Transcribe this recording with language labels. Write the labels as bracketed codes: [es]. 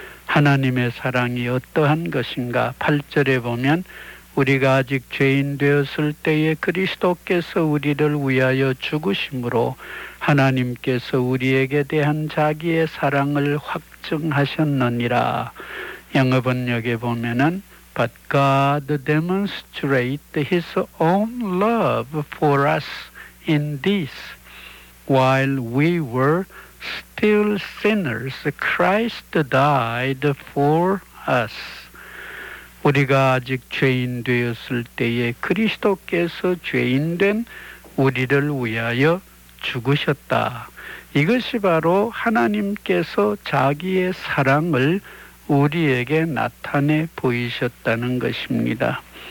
[ko] 하나님의 사랑이 어떠한 것인가? 8절에 보면 우리가 아직 죄인 되었을 때에 그리스도께서 우리를 위하여 죽으심으로 하나님께서 우리에게 대한 자기의 사랑을 확증하셨느니라. 영어 번역에 보면은 [en] But God demonstrated His own love for us in this. While we were still sinners, Christ died for us. [ko] 우리가 아직 죄인 되었을 때에 그리스도께서 죄인 된 우리를 위하여 죽으셨다. 이것이 바로 하나님께서 자기의 사랑을 우리에게 나타내 보이셨다는 것입니다.